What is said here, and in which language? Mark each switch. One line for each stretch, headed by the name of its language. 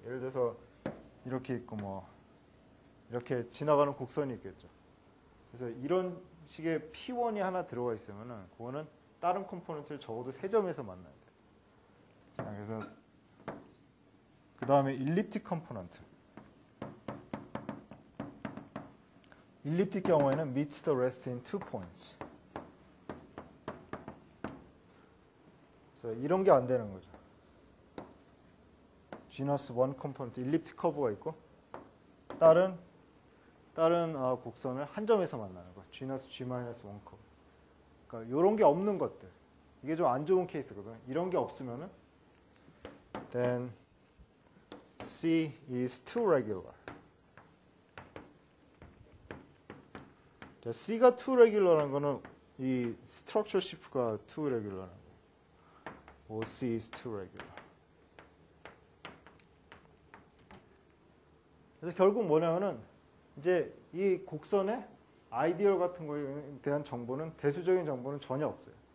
Korean: 예를 들어서 이렇게 있고 뭐 이렇게 지나가는 곡선이 있겠죠. 그래서 이런 식의 P1이 하나 들어가 있으면은 그거는 다른 컴포넌트를 적어도 세 점에서 만나야 돼. 자, 그래서 그 다음에 일립틱 컴포넌트. 일립틱 경우에는
English: meets the rest in two points.
Korean: 그래서 이런 게 안 되는 거죠.
English: genus one component,
Korean: 일립틱 커브가 있고 다른 곡선을 한 점에서 만나는 거.
English: genus g-1 커브.
Korean: 그러니까 이런 게 없는 것들. 이게 좀 안 좋은 케이스거든. 이런 게 없으면은
English: then C is too regular.
Korean: 자, C가
English: too regular
Korean: 란 거는 이 structure shift가 too regular란 거.
English: Or C is too regular.
Korean: 그래서 결국 뭐냐면은 이제 이 곡선의 아이디얼 같은 거에 대한 정보는 대수적인 정보는 전혀 없어요.